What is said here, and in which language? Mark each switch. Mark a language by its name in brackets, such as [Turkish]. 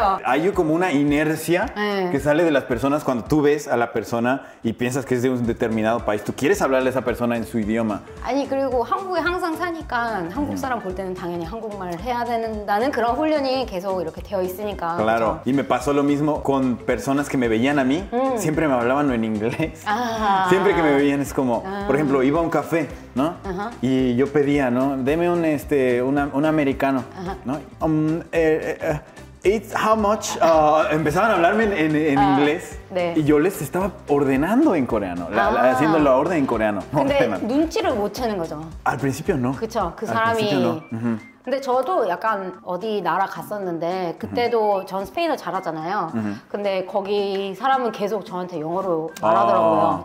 [Spanish] Hay como una inercia que sale de las personas cuando tú ves a la persona y piensas que es de un determinado país. Tú quieres hablarle a esa persona en su idioma. [Korean] 아니 그리고 한국에 항상 사니까 한국 사람 볼 때는 당연히 한국말을 해야 된다는 그런 훈련이 계속 이렇게 되어 있으니까. [Spanish] Claro. [Korean] 그쵸? [Spanish] Y me pasó lo mismo con personas que me veían a mí. Siempre me hablaban en inglés. Siempre que me veían es como, por ejemplo, iba a un café, ¿no? Y yo pedía, ¿no? Deme un un americano, ¿no? [English] It's how much [Spanish] empezaban a hablarme en inglés [Korean] 네. [Spanish] y yo les estaba ordenando en coreano, haciendo la orden en coreano. [Korean] 근데 눈치를 못 채는 거죠. [Spanish] Al principio no. [Korean] 그쵸, 그 사람이. 근데 저도 약간 어디 나라 갔었는데 그때도 전 스페인어 잘하잖아요. 근데 거기 사람은 계속 저한테 영어로 말하더라고요.